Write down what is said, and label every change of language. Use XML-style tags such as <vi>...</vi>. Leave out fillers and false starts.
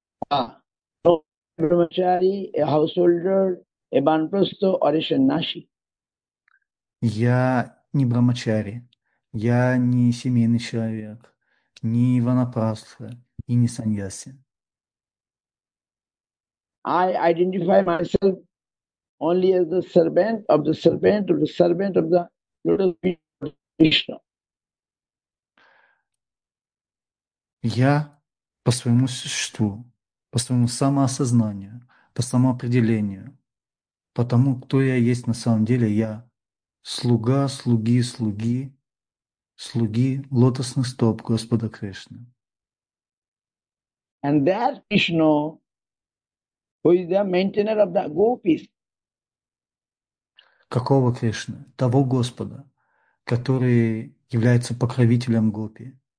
<en>No, a Brahmachari, a householder, a Vanprastha or a Sannyasi.</en> <ru>Я не Брахмачари. Я не семейный человек, не ванапрастха и не саньяси.</ru> <en>I identify myself only as the servant of the servant of the servant of the lotus feet of Krishna.</en> <ru>Я по своему существу, по своему самоосознанию, по самоопределению, по тому, кто я есть на самом деле, я слуга, слуги, слуги, слуги лотосных стоп Господа Кришны.</ru> <en>And that Krishna, who is the maintainer of the gopis.</en> <ru>Какого Кришны? Того Господа, который является покровителем гопи.</ru>